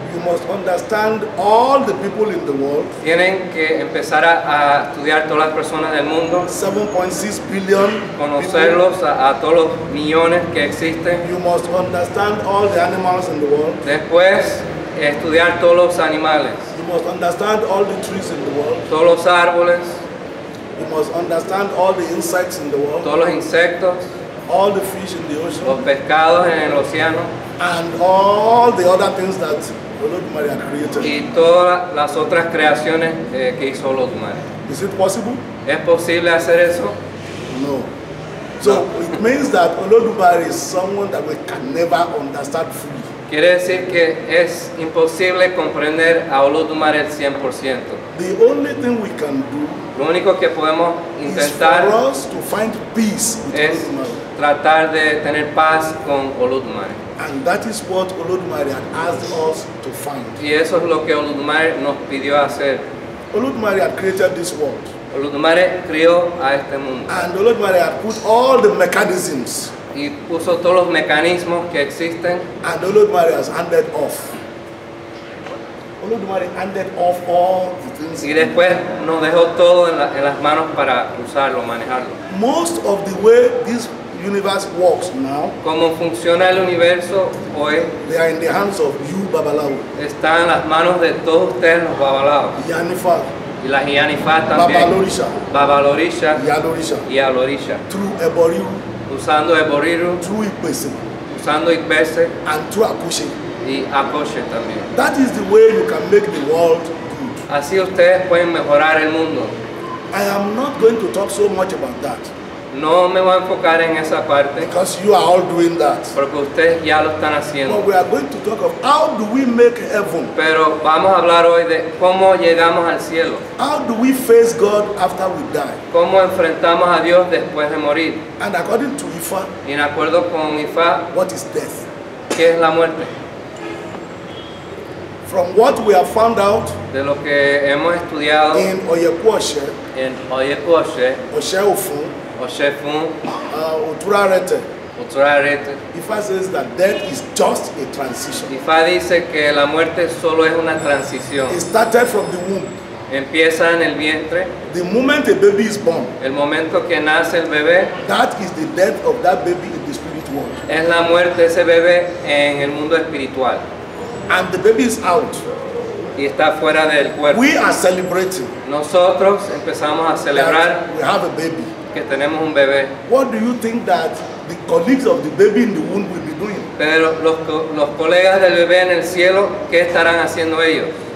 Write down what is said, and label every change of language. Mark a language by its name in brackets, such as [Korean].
[English] You must understand all the people in the world. [Spanish] Tienen que empezar a estudiar todas las personas del mundo. [English] 7.6 billion. [Spanish] Conocerlos a todos los millones que existen. [English] You must understand all the animals in the world. [Spanish] Después, estudiar todos los animales. [English] You must understand all the trees in the world. [Spanish] Todos los árboles. [English] You must understand all the insects in the world. [Spanish] Todos los insectos. [English] All the fish in the ocean. [Spanish] Los pescados en el océano. [English] And all the other things that Olodumare created. [Spanish] Y todas las otras creaciones que hizo Olodumare. [English] Is it possible? [Spanish] ¿Es posible hacer eso? [English] No. So it means that Olodumare is someone that we can never understand fully. [Spanish] Quiere decir que es imposible comprender a Olodumare el 100%. [English] The only thing we can do. [Spanish] Lo único que podemos intentar [English] is for us to find peace [Spanish] es tratar de tener paz con Olodumare. [English] And that is what Olodumare had asked us to find. [Spanish] Y eso es lo que Olodumare nos pidió hacer. [English] Olodumare had created this world. [Spanish] Olodumare creó a este mundo. [English] And Olodumare had put all the mechanisms. [Spanish] Y puso todos los mecanismos que existen. [English] And Olodumare has handed off. Olodumare handed off all the things. [Spanish] Y después nos dejó todo en las manos para usarlo, manejarlo. [English] Most of the way this universe works now. [Spanish] Cómo funciona el universo hoy. [English] They are in the hands of you, Babalawo. [Spanish] Está en las manos de todos ustedes, los Babalawo. [English] Yanifa. [Spanish] Y la Yanifa también. [English] Babalorisha. [Spanish] Babalorisha. [English] Yalorisha. [Spanish] Yalorisha. [English] Through Eboriru. [Spanish] Usando Eboriru. [English] Through Ipese. [Spanish] Usando Ipese. [English] And through Akoshe. [Spanish] Y Akoshe también. [English] That is the way you can make the world good. [Spanish] Así ustedes pueden mejorar el mundo. [English] I am not going to talk so much about that. [Spanish] No me voy a enfocar en esa parte. [English] Because you are all doing that. [Spanish] Porque ustedes ya lo están haciendo. [English] But we are going to talk of how do we make heaven. [Spanish] Pero vamos a hablar hoy de cómo llegamos al cielo. [English] How do we face God after we die. [Spanish] Cómo enfrentamos a Dios después de morir. [English] And according to Ifa. [Spanish] Y en acuerdo con Ifa. [English] What is death? [Spanish] ¿Qué es la muerte? [English] From what we have found out. [Spanish] De lo que hemos estudiado. [English] In Oyekwoshe. [Spanish] En Oyekwoshe. [English] Oshéofun. [Spanish] Oshéfun. [English] Oturarete. [Spanish] Oturarete. [English] Ifa says that death is just a transition. [Spanish] Ifa dice que la muerte solo es una transición. [English] It started from the womb. [Spanish] Empieza en el vientre. [English] The moment a baby is born. [Spanish] El momento que nace el bebé. [English] That is the death of that baby in the spirit world. [Spanish] Es la muerte de ese bebé en el mundo espiritual. [English] And the baby is out. [Spanish] Y está fuera del cuerpo. [English] We are celebrating. [Spanish] Nosotros empezamos a celebrar. [English] We have a baby. [Spanish] Que tenemos un bebé. [English] What do you think that the colleagues of the baby in the womb will be doing? [Spanish] Pero los colegas del bebé en el cielo, ¿qué estarán haciendo ellos?